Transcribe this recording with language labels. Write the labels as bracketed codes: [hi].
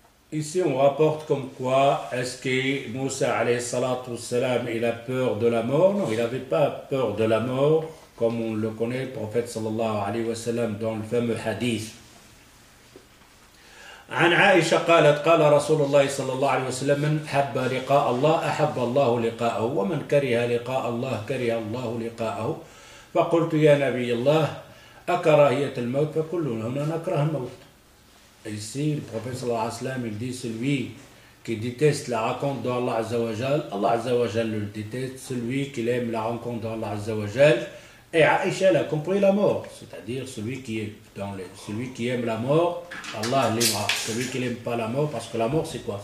[fr] Ici, on rapporte comme quoi, est-ce que Moussa, alayhi salatu wassalam, il a peur de la mort? Non, il n'avait pas peur de la mort, comme on le connaît, le prophète, sallallahu alayhi wa sallam, dans le fameux hadith. [ar] عن عائشة قالت قال رسول الله صلى الله عليه وسلم من حب لقاء الله أحب الله لقاءه ومن كره لقاء الله كره الله لقاءه فقلت يا نبي الله أكراهية الموت فكلنا هنا نكره الموت. [fr] Ici, le prophète sallallahu alayhi wa sallam, il dit, celui qui déteste la rencontre d'Allah azzawajal, Allah azzawajal le déteste, celui qui aime la rencontre d'Allah azzawajal, et Aïcha a compris la mort, c'est-à-dire celui qui est dans les, celui qui aime la mort, Allah l'aimera, celui qui n'aime pas la mort, parce que la mort c'est quoi?